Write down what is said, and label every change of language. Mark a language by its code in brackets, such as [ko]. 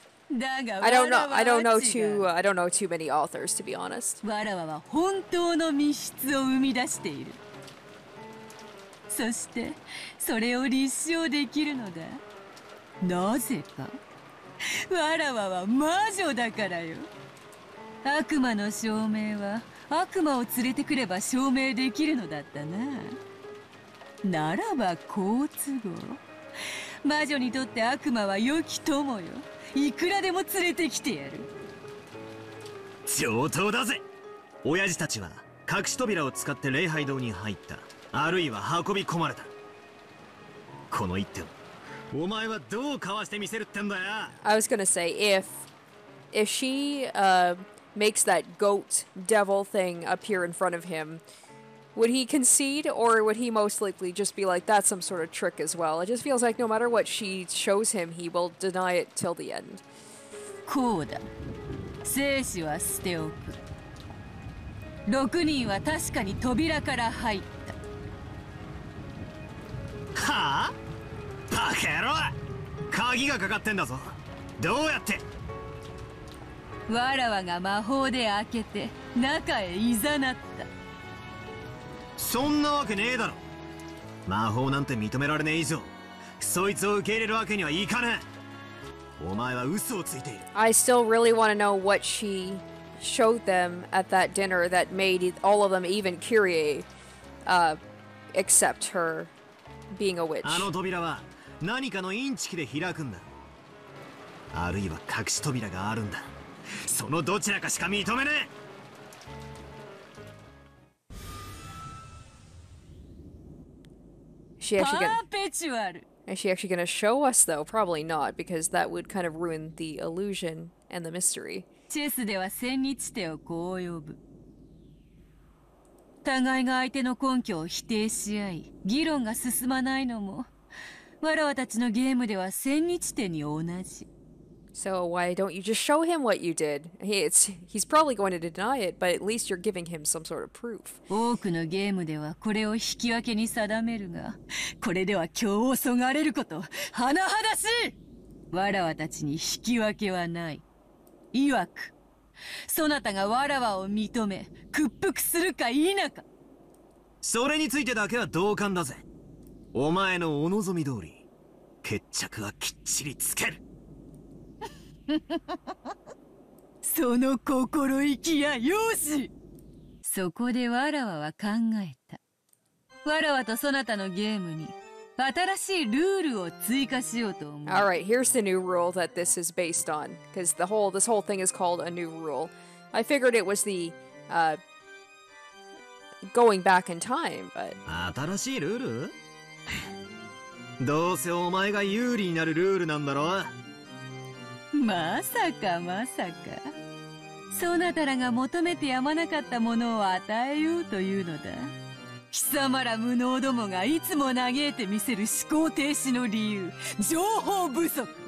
[en] I don't know too many authors, to be honest. [ja] わらわは本当の密室を生み出している。そしてそれを立証できるのだ。なぜか、わらわは魔女だからよ。悪魔の証明は悪魔を連れてくれば証明できるのだったな。ならば好都合。魔女にとって悪魔は良き友よ。いくらでも連れてきてやる。上等だぜ。親父たちは隠し扉を使って礼拝堂に入った、あるいは運び込まれた。この一点お前はどうかわしてみせるってんだよ。 [en] I was gonna say if she makes that goat devil thing appear in front of him, would he concede, or would he most likely just be like, that's some sort of trick as well? It just feels like no matter what she shows him, he will deny it till the end. [ja] こうだ。生死は捨ておく。六人は確かに扉から入った。はあ？バカ野郎！鍵がかかってんだぞ。どうやって？わらわが魔法で開けて中へいざなった。そんなわけねえだろ。魔法なんて認められねえ以上そいつを受け入れるわけにはいかねえ。お前は嘘をついている。 [en] I still really want to know what she showed them at that dinner that made all of them, even Kyrie, accept her being a witch. [ja] あの扉は何かのインチキで開くんだ。あるいは隠し扉があるんだ。そのどちらかしか認めねえ。 [en] Is she actually going to show us, though? Probably not, because that would kind of ruin the illusion and the mystery. [ja] Chess では千日手をこう呼ぶ。互いが相手の根拠を否定し合い、議論が進まないのも、わらわたちのゲームでは千日手に同じ。 [en] So why don't you just show him what you did? He's probably going to deny it, but at least you're giving him some sort of proof. [ja] 多くのゲームではこれを引き分けに定めるが、これでは共をそがれること、はなはだしい。わらわたちに引き分けはない。いわく、そなたがわらわを認め、屈服するか否か。それについてだけは同感だぜ。お前のお望み通り、決着はきっちりつける。その心意気や容姿。そこでわらわは考えた。わらわとそなたのゲームに新しいルールを追加しようと思う。 [en] All right, here's the new rule that this is based on, because this whole thing is called a new rule. I figured it was the going back in time, but [ja] 新しいルール？どうせお前が有利になるルールなんだろう。まさかまさか、そなたらが求めてやまなかったものを与えようというのだ。貴様ら無能どもがいつも嘆いてみせる思考停止の理由、情報不足。